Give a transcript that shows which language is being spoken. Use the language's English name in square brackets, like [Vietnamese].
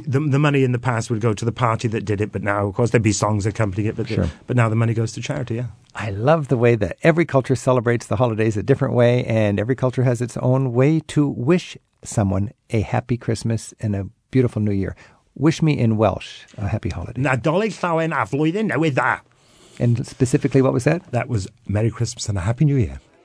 [English] Yeah, the money in the past would go to the party that did it, but now, of course, there'd be songs accompanying it, but now the money goes to charity, yeah. I love the way that every culture celebrates the holidays a different way, and every culture has its own way to wish someone a happy Christmas and a beautiful new year. Wish me in Welsh a happy holiday. [Welsh] Nadolig llawen a flwyddyn newydd dda. [English] And specifically, what was that? That was Merry Christmas and a Happy New Year.